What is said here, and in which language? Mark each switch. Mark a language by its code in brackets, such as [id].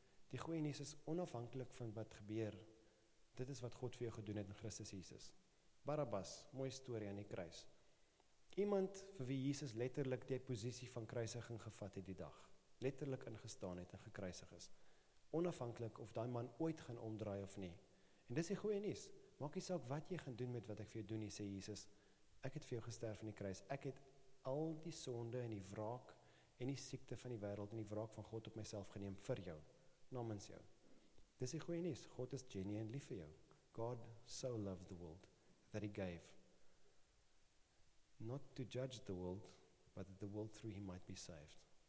[af] Die goeie nuus is onafhanklik van wat gebeur. Dit is wat God vir jou gedoen het in Christus Jesus. Barabbas, mooi storie aan die kruis. Iemand vir wie Jesus letterlik die posisie van kruisiging gevat het die dag. Letterlik ingestaan het en gekruisig is. Onafhanklik of daai man ooit gaan omdraai of nie. En dis die goeie nuus. Maak nie saak wat jy gaan doen met wat ek vir jou doen nie, sê Jesus. Ek het vir jou gesterf in die kruis. Ek het al die sonde en die wraak en die siekte van die wêreld en die wraak van God op myself geneem vir jou, namens jou. Dis die goeie nuus. God is genuine lief vir jou. [en] God so loved the world that he gave. Not to judge the world, but but that the world through him might be saved.